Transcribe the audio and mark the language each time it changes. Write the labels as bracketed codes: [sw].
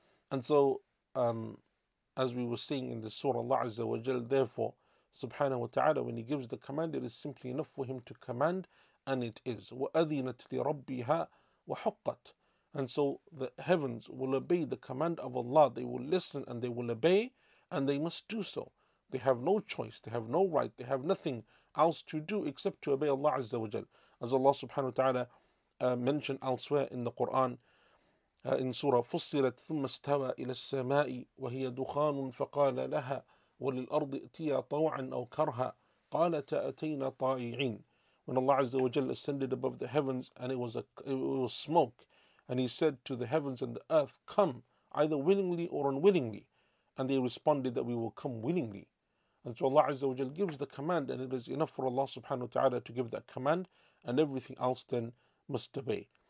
[en] And so, as we were saying in the surah, Allah Azza wa Jal, therefore, subhanahu wa ta'ala, when He gives the command, it is simply enough for Him to command, and it is. [ar] وَأَذِنَتْ لِرَبِّهَا وَحُقَّتْ. [en] And so the heavens will obey the command of Allah. They will listen and they will obey, and they must do so. They have no choice, they have no right, they have nothing else to do except to obey Allah Azza wa Jal. As Allah subhanahu wa ta'ala mentioned elsewhere in the Quran, in Surah Fussilat, [ar] ثم استوى إلى السماء وهي دخان فقال لها وللأرض اتيا طوعا أو كرها قالت أتينا طائعين. [en] When Allah Azza wa Jal ascended above the heavens and it was smoke, and He said to the heavens and the earth, come, either willingly or unwillingly. And they responded that we will come willingly. And so Allah Azza wa Jal gives the command, and it is enough for Allah subhanahu wa ta'ala to give that command, and everything else then must obey.